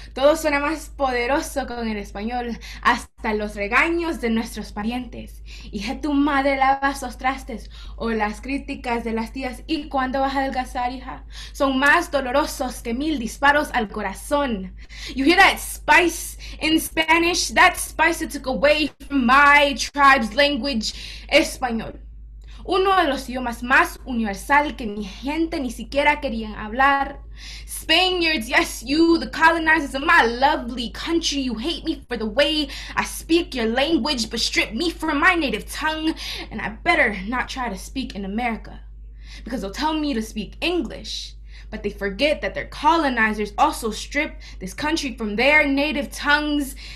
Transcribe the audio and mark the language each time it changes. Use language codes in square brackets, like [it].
[es] Todo suena más poderoso con el español. Hasta los regaños de nuestros parientes. Hija, tu madre lava esos trastes. O las críticas de las tías. ¿Y cuándo vas a adelgazar, hija? Son más dolorosos que mil disparos al corazón. [en] You hear that spice in Spanish? That spice it took away from my tribe's language, español. [es] Uno de los idiomas más universal que ni gente ni siquiera querían hablar. [en] Spaniards, yes, you, the colonizers of my lovely country. You hate me for the way I speak your language, but strip me from my native tongue, and I better not try to speak in America, because they'll tell me to speak English. But they forget that their colonizers also strip this country from their native tongues.